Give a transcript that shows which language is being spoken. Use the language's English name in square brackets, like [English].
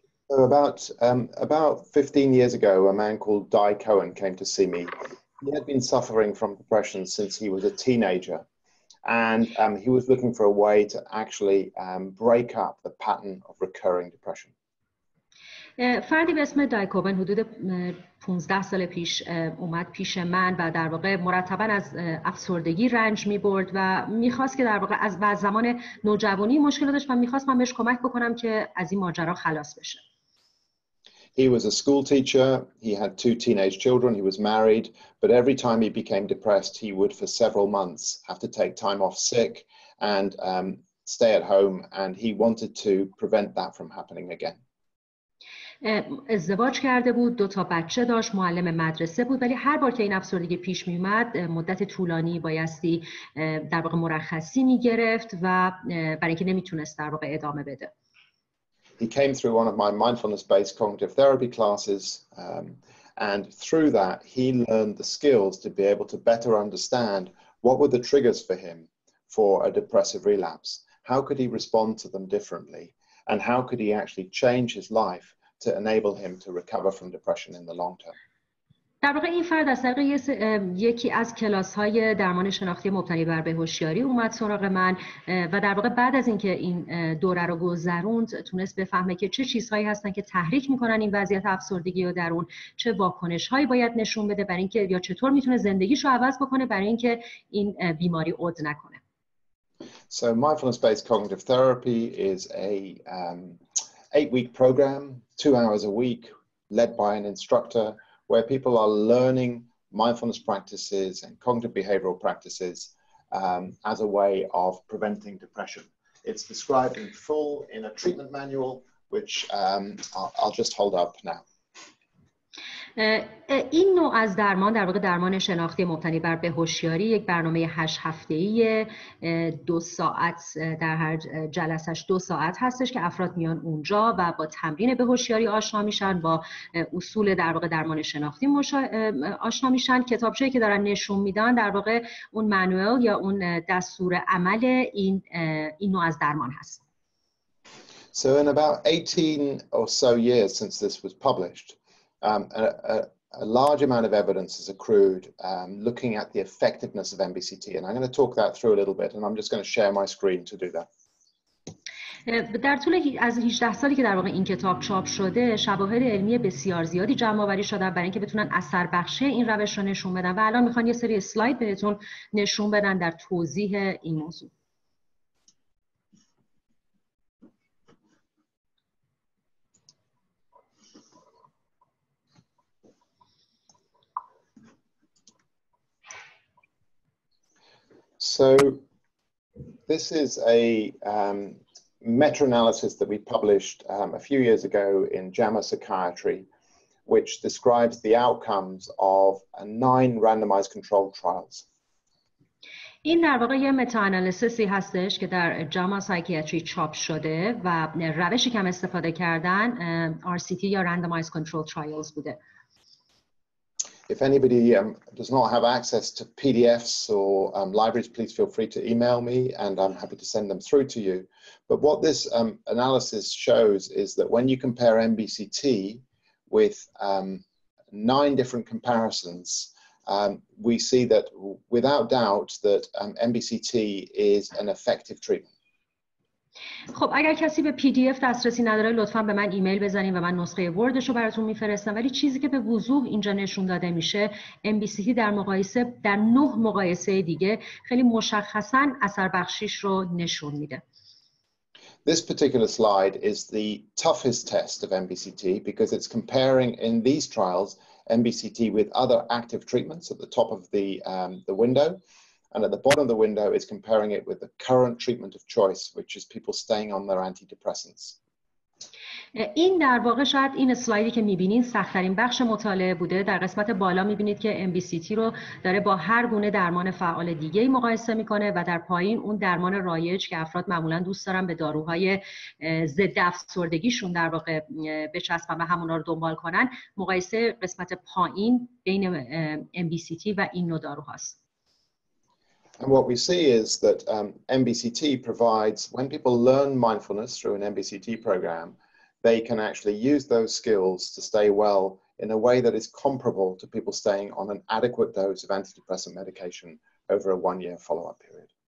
[English] So about 15 years ago, a man called Di Cohen came to see me. He had been suffering from depression since he was a teenager, and he was looking for a way to actually break up the pattern of recurring depression. [Persian] فردی به اسم دای کوبن حدود 15 سال پیش اومد پیش من و در واقع مرتبا از افسردگی رنج می برد و میخواست که در واقع از زمان نوجوانی مشکل داشت و میخواست من بهش کمک بکنم که از این ماجرا خلاص بشه. [English] He was a school teacher, he had two teenage children, he was married, but every time he became depressed, he would for several months have to take time off sick and stay at home, and he wanted to prevent that from happening again. [Persian] ازدواج کرده بود، دو تا بچه داشت، معلم مدرسه بود، ولی هر بار که این افسردگی پیش می اومد، مدت طولانی بایستی در واقع مرخصی می گرفت و برای اینکه نمیتونست در واقع ادامه بده. [English] He came through one of my mindfulness-based cognitive therapy classes, and through that, he learned the skills to be able to better understand what were the triggers for him for a depressive relapse. How could he respond to them differently? And how could he actually change his life to enable him to recover from depression in the long term? [Persian] در واقع این فرد از طریق یکی از کلاس‌های درمان شناختی مبتنی بر بهوشیاری اومد سراغ من و در واقع بعد از اینکه این دوره رو گذروند تونست بفهمه که چه چیزهایی هستن که تحریک می‌کنن این وضعیت افسردگی رو درون چه واکنش‌هایی باید نشون بده برای اینکه یا چطور می‌تونه زندگیشو عوض بکنه برای اینکه این بیماری عود نکنه. [English] So mindfulness-based cognitive therapy is a 8-week program, 2 hours a week led by an instructor, where people are learning mindfulness practices and cognitive behavioral practices as a way of preventing depression. It's described in full in a treatment manual, which I'll just hold up now. [Persian] این نوع از درمان در واقع درمان شناختی مبتنی بر بهوشیاری یک برنامه 8 هفته‌ای 2 ساعت در هر جلسه‌اش 2 ساعت هستش که افراد میان اونجا و با تمرین بهوشیاری آشنا میشن با اصول در واقع درمان شناختی آشنا میشن کتابچه‌ای که دارن نشون میدن در واقع اون مانوئل یا اون دستور عمل این نوع از درمان هست. [English] So in about 18 or so years since this was published, A a large amount of evidence has accrued looking at the effectiveness of MBCT, and I'm going to talk that through a little bit, and I'm just going to share my screen to do that. [Persian] در طول از 18 سالی که در واقع این کتاب چاپ شده شواهد علمی بسیار زیادی جمع‌آوری شده برای اینکه بتونن اثر بخش این روش رو نشون بدن و الان میخوان یه سری اسلاید بهتون نشون بدن در توضیح این موضوع. [English] So this is a meta-analysis that we published a few years ago in JAMA Psychiatry, which describes the outcomes of 9 randomized controlled trials. [Persian] این در واقع یه متاانالیسیسی هستش که در JAMA Psychiatry چاپ شده و روشی که هم استفاده کردن RCT یا [English] randomized controlled trials [Persian] بوده. [English] If anybody does not have access to PDFs or libraries, please feel free to email me and I'm happy to send them through to you. But what this analysis shows is that when you compare MBCT with 9 different comparisons, we see that without doubt that MBCT is an effective treatment. [Persian] خب اگر کسی به پی دی اف دسترسی نداره لطفاً به من ایمیل بزنین و من نسخه وردش رو براتون میفرستم، ولی چیزی که به وضوح اینجا نشون داده میشه ام بی سی تی در مقایسه در 9 مقایسه دیگه خیلی مشخصاً اثر بخشیش رو نشون میده. [English] This particular slide is the toughest test of MBCT because it's comparing in these trials MBCT with other active treatments at the top of the window. And at the bottom of the window is comparing it with the current treatment of choice, which is people staying on their antidepressants. [Persian] این در واقع شاید این سلایدی که می‌بینید سخت‌ترین بخش مطالعه بوده. در قسمت بالا می‌بینید که MBCT رو داره با هر گونه درمان فعال دیگه مقایسه می‌کنه و در پایین اون درمان رایج که افراد معمولاً دوست دارن به داروهای ضد افسردگیشون در واقع بچسبن و همونا رو دنبال کنن، مقایسه قسمت پایین بین MBCT و این نوع داروهاست. [English] And what we see is that MBCT provides, when people learn mindfulness through an MBCT program, they can actually use those skills to stay well in a way that is comparable to people staying on an adequate dose of antidepressant medication over a 1-year follow-up period.